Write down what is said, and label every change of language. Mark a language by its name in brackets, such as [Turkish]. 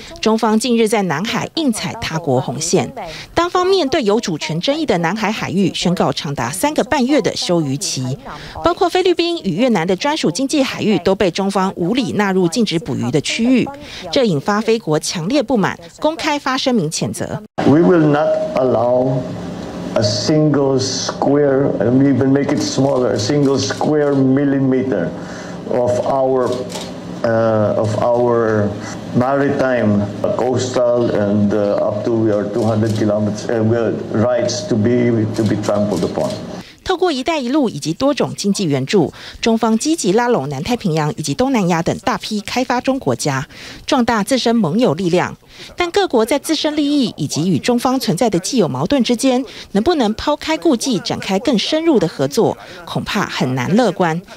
[Chinese] 中方近日在南海硬踩他国红线，单方面对有主权争议的南海海域宣告长达三个半月的休渔期，包括菲律宾与越南的专属经济海域都被中方无理纳入禁止捕鱼的区域，这引发菲国强烈不满，公开发声明谴责。 [English] We will not allow a single square, and even make it smaller, a single square millimeter of our maritime coastal and up to our 200 kilometers rights to be trampled upon. [Chinese] 透过一带一路以及多种经济援助，中方积极拉拢南太平洋以及东南亚等大批开发中国家，壮大自身盟友力量。但各国在自身利益以及与中方存在的既有矛盾之间，能不能抛开顾忌展开更深入的合作，恐怕很难乐观。